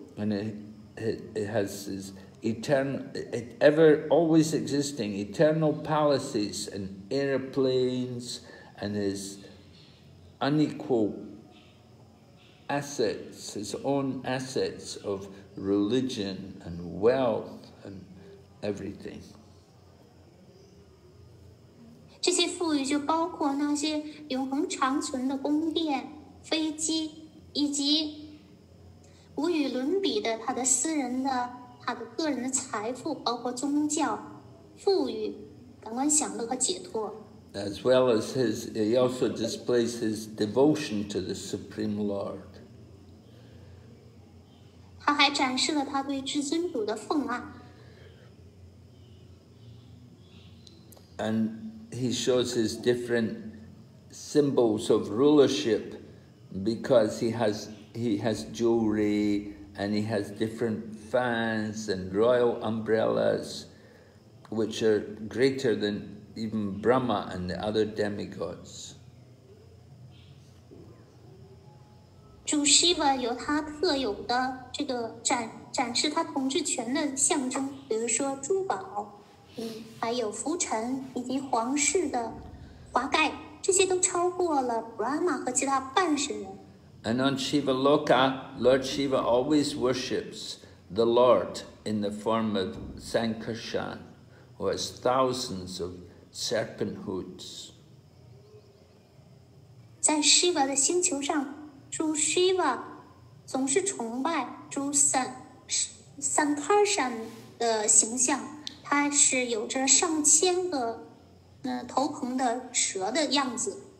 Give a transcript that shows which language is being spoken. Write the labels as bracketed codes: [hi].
[en] And it has his eternal palaces and airplanes and his unequaled. Assets, his own assets of religion and wealth and everything. [zh] 这些富裕就包括那些永恒长存的宫殿、飞机，以及无与伦比的他的私人的、他的个人的财富，包括宗教、富裕、感官享乐和解脱。 [en] As well as he also displays his devotion to the Supreme Lord. [zh] 他还展示了他对至尊主的奉爱。 [en] And he shows his different symbols of rulership because he has jewelry and he has different fans and royal umbrellas which are greater than even Brahma and the other demigods. [zh] 主 Shiva 有他特有的这个展示他统治权的象征，比如说珠宝，还有浮尘以及皇室的华盖，这些都超过了 Brahma 和其他半神人。 [en] And on Shiva Loka, Lord Shiva always worships the Lord in the form of Sankarshan, who has thousands of serpent hoods. [zh] 在 Shiva 的星球上，主 Shiva 总是崇拜主 Sankarshan 的形象，他是有着上千个头棚的蛇的样子。